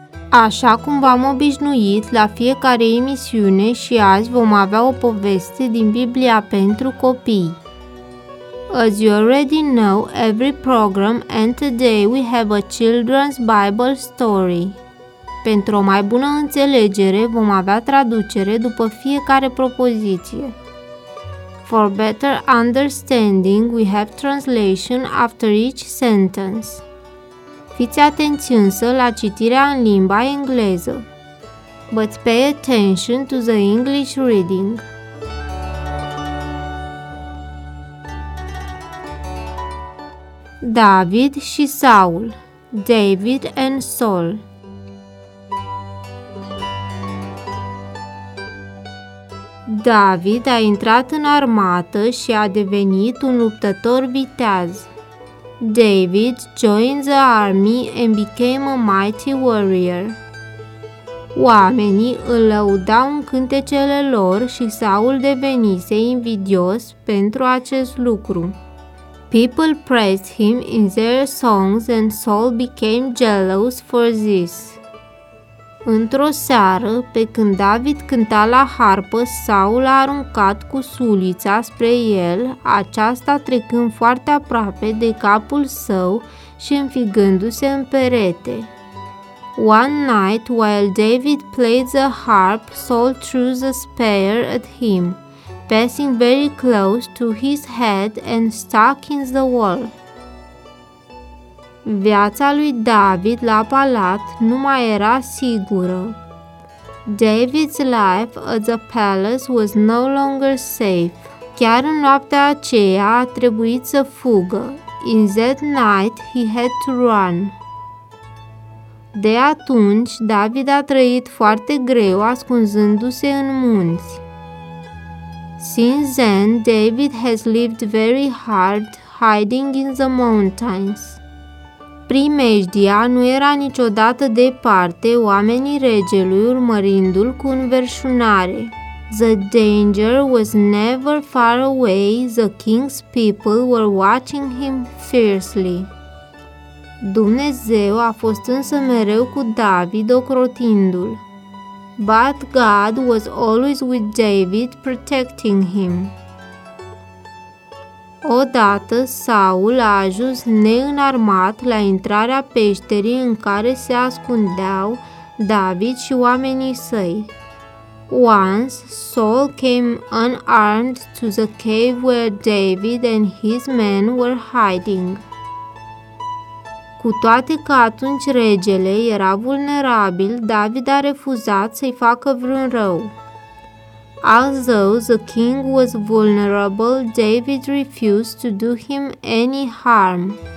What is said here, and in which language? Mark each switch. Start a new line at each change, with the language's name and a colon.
Romanian: Așa cum v-am obișnuit la fiecare emisiune și azi vom avea o poveste din Biblia pentru copii.
English: As you already know, every program and today we have a children's Bible story.
Romanian: Pentru o mai bună înțelegere vom avea traducere după fiecare propoziție.
English: For better understanding, we have translation after each sentence.
Romanian: Fiți atenți însă la citirea în limba engleză.
English: But pay attention to the English reading.
Romanian: David și Saul.
English: David and Saul.
Romanian: David a intrat în armată și a devenit un luptător viteaz.
English: David joined the army and became a mighty warrior.
Romanian: Oamenii îl lăudau în cântecele lor și Saul devenise invidios pentru acest lucru.
English: People praised him in their songs and Saul became jealous for this.
Romanian: Într-o seară, pe când David cânta la harpă, Saul a aruncat cu sulița spre el, aceasta trecând foarte aproape de capul său și înfigându-se în perete.
English: One night, while David played the harp, Saul threw the spear at him, passing very close to his head and stuck in the wall.
Romanian: Viața lui David la palat nu mai era sigură.
English: David's life at the palace was no longer safe.
Romanian: Chiar în noaptea aceea a trebuit să fugă.
English: In that night he had to run.
Romanian: De atunci, David a trăit foarte greu ascunzându-se în munți.
English: Since then, David has lived very hard hiding in the mountains.
Romanian: Primejdia nu era niciodată departe, oamenii regelui urmărindu-l cu înverșunare.
English: The danger was never far away, the king's people were watching him fiercely.
Romanian: Dumnezeu a fost însă mereu cu David ocrotindu-l.
English: But God was always with David protecting him.
Romanian: Odată, Saul a ajuns neînarmat la intrarea peșterii în care se ascundeau David și oamenii săi.
English: Once Saul came unarmed to the cave where David and his men were hiding.
Romanian: Cu toate că atunci regele era vulnerabil, David a refuzat să-i facă vreun rău.
English: Although the king was vulnerable, David refused to do him any harm.